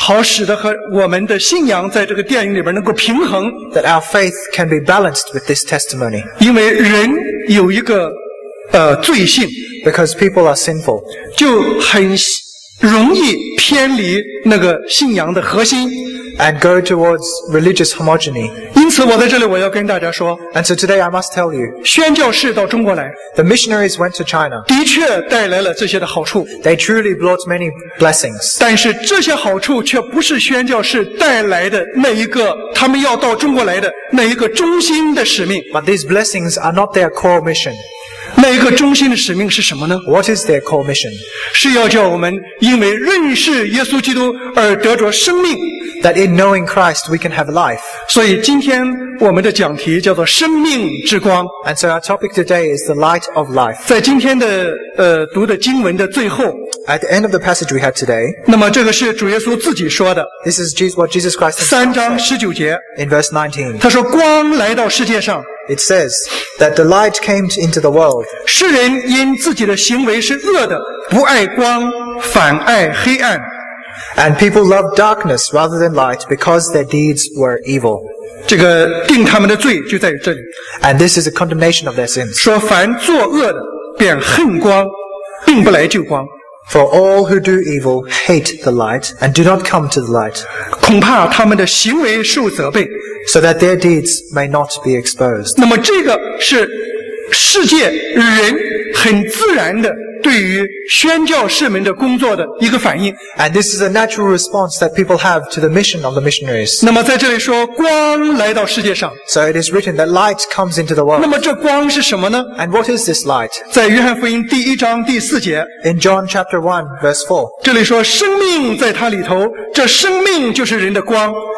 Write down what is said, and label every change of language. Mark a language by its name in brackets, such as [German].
[Chinese] 好使得和我们的信仰在这个电影里边能够平衡。 [English] That our faith can be balanced with this testimony. [Chinese] 因为人有一个罪性。 [English] Because people are sinful. [Chinese] 就很容易偏离那个信仰的核心。 [English] And go towards religious homogeny. [Chinese] 因此我在这里我要跟大家说。 [English] And so today I must tell you. [Chinese] 宣教士到中国来。 [English] The missionaries went to China. [Chinese] 的确带来了这些的好处。 [English] They truly brought many blessings. [Chinese] 但是这些好处却不是宣教士带来的那一个他们要到中国来的那一个中心的使命。 [English] But these blessings are not their core mission. [Chinese] 那一个中心的使命是什么呢 [English] ？What is their core mission？ [Chinese] 是要叫我们因为认识耶稣基督而得着生命。 [English] That in knowing Christ we can have life。 [Chinese] 所以今天我们的讲题叫做生命之光。 [English] And so our topic today is the light of life。 [Chinese] 在今天的读的经文的最后。 [English] At the end of the passage we had today。 [Chinese] 那么这个是主耶稣自己说的。 [English] This is what Jesus Christ said。 [Chinese] 三章十九节。 [English] In verse 19。 [Chinese] 他说：“光来到世界上。” [English] It says that the light came into the world. [Chinese] 世人因自己的行为是恶的，不爱光，反爱黑暗。 [English] And people loved darkness rather than light because their deeds were evil. [Chinese] 这个定他们的罪就在于这里。 [English] And this is a condemnation of their sins. [Chinese] 说凡作恶的便恨光，并不来救光。 [English] For all who do evil hate the light and do not come to the light. [Chinese] 恐怕他们的行为受责备。 [English] So that their deeds may not be exposed. [Chinese] 那么这个是世界人很自然的对于宣教士们的工作的一个反应。 [English] And this is a natural response that people have to the mission of the missionaries. [Chinese] 那么在这里说光来到世界上。 [English] So it is written that light comes into the world. [Chinese] 那么这光是什么呢 [English] ？And what is this light? [Chinese] 在约翰福音第一章第四节。 [English] In John chapter 1 verse 4. [Chinese] 这里说生命在它里头，这生命就是人的光。